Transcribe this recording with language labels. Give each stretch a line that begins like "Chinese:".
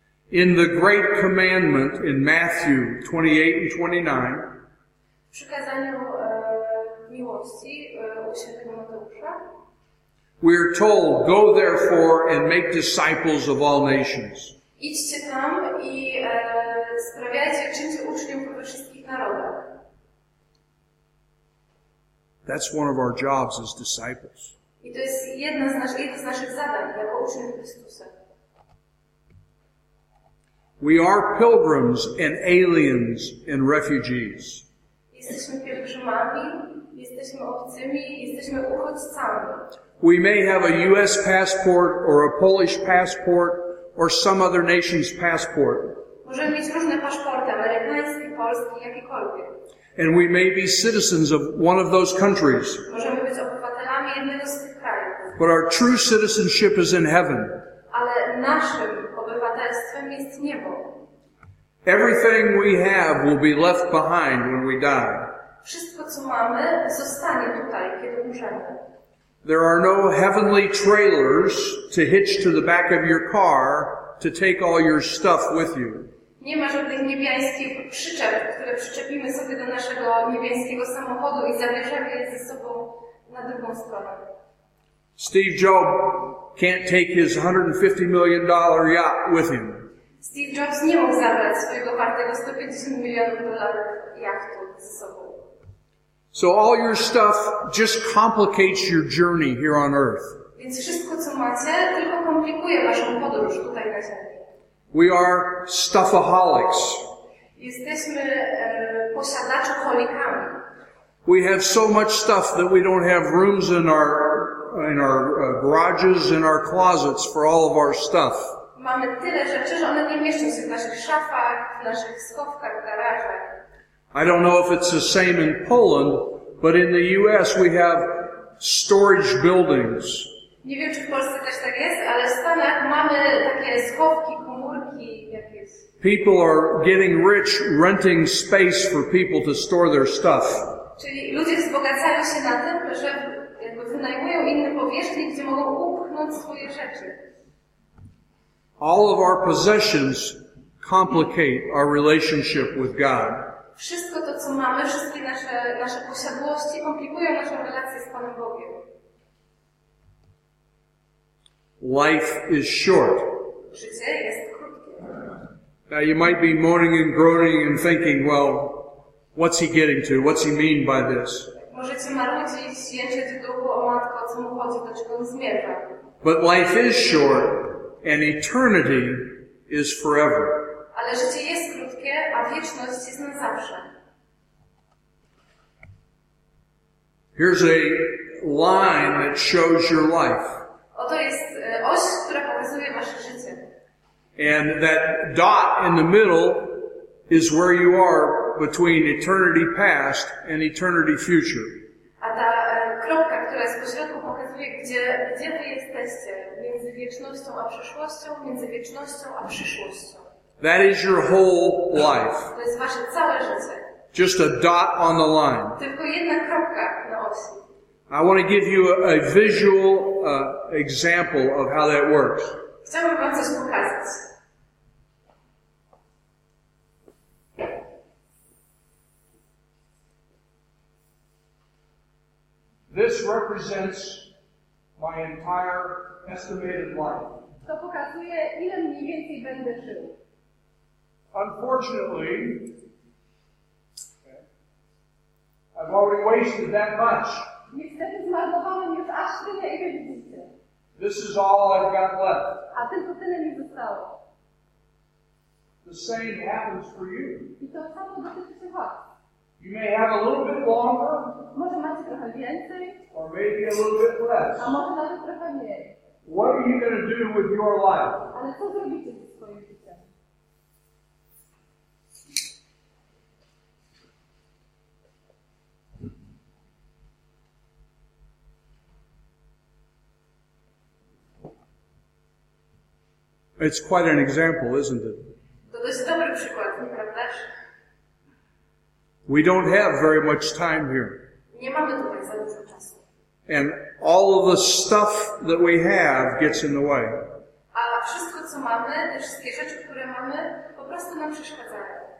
English: In the great commandment in Matthew 28:29,
Polish: przykazaniu miłości u świętego Mateusza,
English: we are told, go therefore and make disciples of all nations.
Polish: Idźcie tam i sprawiajcie, czyńcie uczniów we wszystkich narodach.
English: That's one of our jobs as disciples.
Polish: I to jest jedno z naszych zadań jako uczniów Chrystusa.
English: We are pilgrims and aliens and refugees.
Polish: Jesteśmy pielgrzymami, jesteśmy obcymi, jesteśmy uchodźcami.
English: We may have a U.S. passport or a Polish passport or some other nation's passport.
Polish: Możemy mieć różne paszporty, amerykański, polski, jakikolwiek.
English: And we may be citizens of one of those countries.
Polish: Możemy być obywatelami jednego z tych krajów.
English: But our true citizenship is in heaven.
Polish: Ale naszym obywatelstwem jest niebo.
English: Everything we have will be left behind when we die.
Polish: Wszystko, co mamy, zostanie tutaj, kiedy umrzemy.
English: There are no heavenly trailers to hitch to the back of your car to take all your stuff with you.
Polish: Nie ma żadnych niebiańskich przyczep, które przyczepimy sobie do naszego niebiańskiego samochodu i zabierzemy je ze sobą na drugą stronę.
English: Steve Jobs can't take his $150 million yacht with him.
Polish: Steve Jobs nie mógł zabrać swojego wartego 150 milionów dolarów jachtu ze sobą.
English: So all your stuff just complicates your journey here on earth.
Polish: Więc wszystko, co macie, tylko komplikuje waszą podróż tutaj na ziemi.
English: We are stuffaholics.
Polish: Jesteśmy posiadaczoholikami.
English: We have so much stuff that we don't have rooms in our garages, in our closets for all of our stuff.
Polish: Mamy tyle rzeczy, że one nie mieszczą się w naszych szafach, w naszych schowkach, w garażach.
English: I don't know if it's the same in Poland, but in the U.S. we have storage buildings.
Polish: Nie wiem, czy w Polsce też tak jest, ale w Stanach mamy takie schowki, komórki jakieś.
English: People are getting rich renting space for people to store their stuff.
Polish: Czyli ludzie wzbogacają się na tym, że wynajmują inne powierzchnie, gdzie mogą upchnąć swoje rzeczy.
English: All of our possessions complicate our relationship with God.
Polish: Wszystko to, co mamy, wszystkie nasze posiadłości komplikują naszą relację z Panem Bogiem.
English: Life is short.
Polish: Życie jest krótkie.
English: Now you might be moaning and groaning and thinking, well, what's he getting to? What's he mean by this?
Polish: Możecie marudzić, jęczeć w duchu, o matko, co mu chodzi, do czego on zmierza.
English: But life is short and eternity is forever.
Polish: Ale życie jest krótkie, a wieczność jest na zawsze.
English: Here's a line that shows your life.
Polish: Oto jest oś, która pokazuje wasze życie.
English: And that dot in the middle is where you are between eternity past and eternity future.
Polish: A ta kropka, która jest pośrodku, pokazuje, gdzie wy jesteście. Między wiecznością a przyszłością, między wiecznością a przyszłością.
English: That is your whole life.
Polish: To jest wasze całe życie.
English: Just a dot on the line.
Polish: Tylko jedna kropka na osi.
English: I want to give you a visual example of how that works.
Polish: Chciałbym wam coś pokazać.
English: This represents my entire estimated life.
Polish: To pokazuje, ile mniej więcej będę żył.
English: Unfortunately, I've already wasted that much.
Polish: Niestety zmarnowałem już aż tyle, ile widzicie.
English: This is all I've got left.
Polish: A tylko tyle mi zostało.
English: The same happens for you.
Polish: I to samo dotyczy się was.
English: You may have a little bit longer.
Polish: Może macie trochę więcej.
English: Or maybe a little bit less.
Polish: A może nawet trochę mniej.
English: What are you going to do with your life?
Polish: Ale co zrobicie ze swoim życiem?
English: It's quite an example, isn't it?
Polish: To jest dobry przykład, nie prawdaż?
English: We don't have very much time here.
Polish: Nie mamy tutaj za dużo czasu.
English: And all of the stuff that we have gets in the way.
Polish: A wszystko, co mamy, te wszystkie rzeczy, które mamy, po prostu nam przeszkadzają.